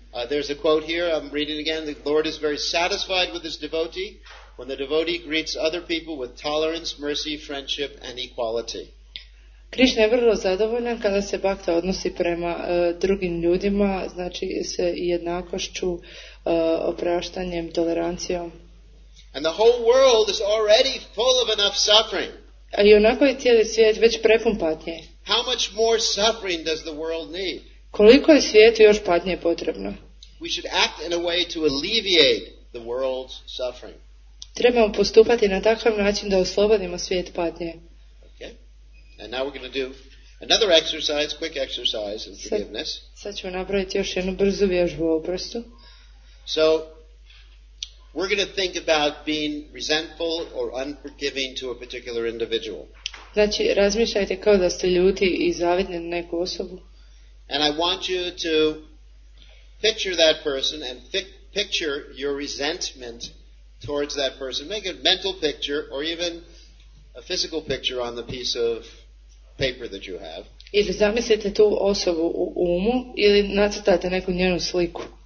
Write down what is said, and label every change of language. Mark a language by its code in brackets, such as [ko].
[en] There's a quote here, I'm reading again. The Lord is very satisfied with his devotee when the devotee greets other people with tolerance, mercy, friendship and equality. [hr] Krishna je vrlo zadovoljan kada se bhakta odnosi prema drugim ljudima, znači se jednakošću, opraštanjem, tolerancijom. [en] And the whole world is already full of enough suffering. [hr] A i onako je cijeli svijet već prepun patnje. [en] How much more suffering does the world need? [hr] Koliko je svijetu još patnje potrebno? [en] We should act in a way to alleviate the world's suffering. [hr] Trebamo postupati na takav način da oslobodimo svijet patnje. [en] And now we're going to do another exercise, quick exercise in forgiveness. [hr] Sad ćemo napraviti još jednu brzu vježbu oprostu. [en] So, we're going to think about being resentful or unforgiving to a particular individual. [hr] Znači, razmišljajte kao da ste ljuti i zavidni na neku osobu. [en] And I want you to picture that person and picture your resentment towards that person. Make a mental picture or even a physical picture on the piece of paper that you have. [hr] Ili zamislite tu osobu u umu ili nacrtate neku njenu sliku.